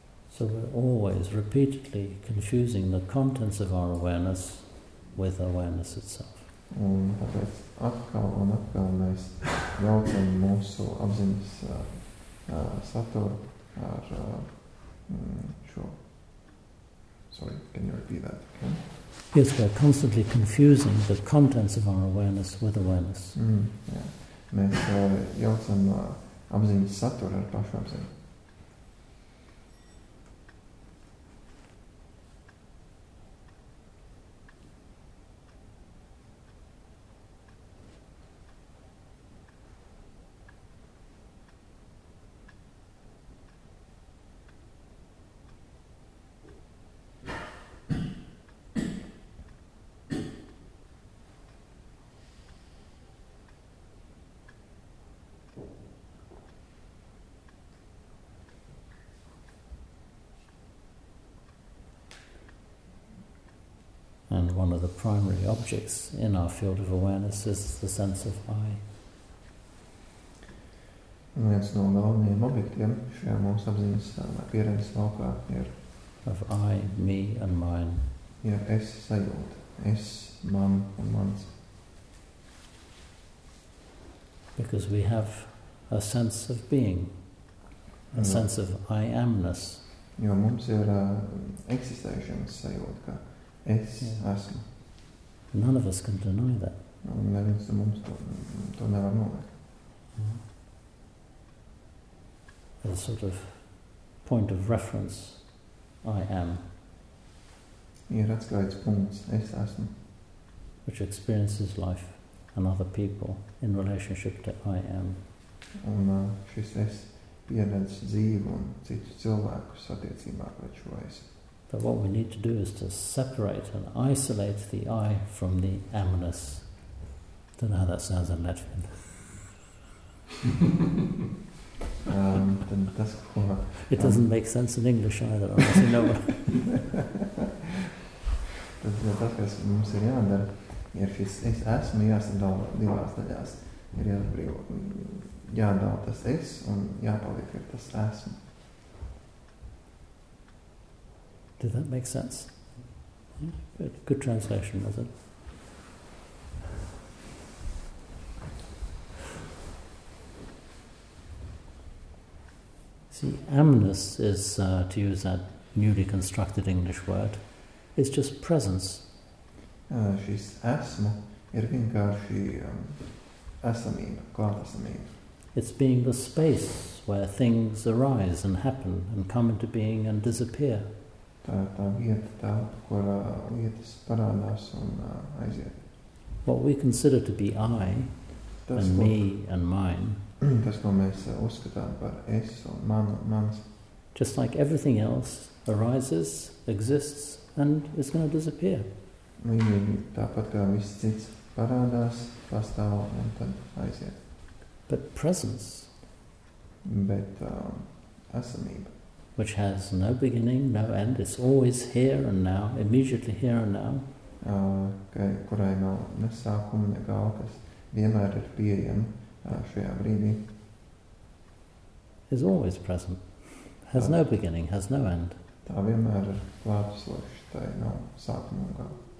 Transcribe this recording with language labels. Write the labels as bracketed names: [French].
[English] So we're always repeatedly confusing the contents of our awareness with awareness itself. [Latvian] Un tāpēc atkal un atkal mēs jaucam mūsu apziņas saturu ar šo. [English] Sorry, can you repeat that? Okay. Yes, we're constantly confusing the contents of our awareness with awareness. [Latvian] Mēs jaucam apziņas saturu ar pašu apziņu. [English] And one of the primary objects in our field of awareness is the sense of I. [Latvian] Viens no galvenajiem objektiem šajā mūsu apziņas pieredzes laukā ir [English] of I, me and mine. [Latvian] Ir es sajūta, es, man un mans. [English] Because we have a sense of being, a sense of I am-ness. [Latvian] Jo mums ir eksistēšanas sajūta, ka es esmu. [English] None of us can deny that. [Latvian] Neviens no mums to nevar noliekt. [English] A sort of point of reference, I am. [Latvian] Ir atskaits punkts, es esmu. [English] Which experiences life and other people in relationship to I am. [Latvian] Un šis es pieredzi dzīvi un citus cilvēkus attiecībā pret šo esi. [English] But what we need to do is to separate and isolate the I from the amnus. Don't know how that sounds in Latvian. [Latvian] Tas, ko, [English] it doesn't make sense in English either, unless you know. [Latvian] Tas, tas, kas mums ir jādara, ir šis es esmu jāsadala divās daļās. Ir jāatbrīvo, jādala tas es un jāpaliek ar tas esmu. [English] Did that make sense? Good, good translation, was it? See, amnus is, to use that newly constructed English word, it's just presence. [Latvian] Šis esmu ir vienkārši esamība, klātesamība. [English] It's being the space where things arise and happen and come into being and disappear. [Latvian] Tā vieta, tā, kurā lietas parādās un aiziet. [English] What we consider to be I, tas, and ko, me, and mine, [Latvian] tas, ko mēs uzskatām par es un manu, mans, [English] just like everything else, arises, exists, and is going to disappear. [Latvian] Līdzīgi tāpat kā viss cits parādās, pastāv un tad aiziet. [English] But presence. [Latvian] Bet esamība. [English] Which has no beginning, no end, it's always here and now, immediately here and now. [Latvian] Kurai nav ne sākuma, ne gal, kas vienmēr ir pieejama šajā brīdī. [English] Is always present, has tā, no beginning, has no end. [Latvian] Tā vienmēr ir klātesoša, tai nav sākuma un gal.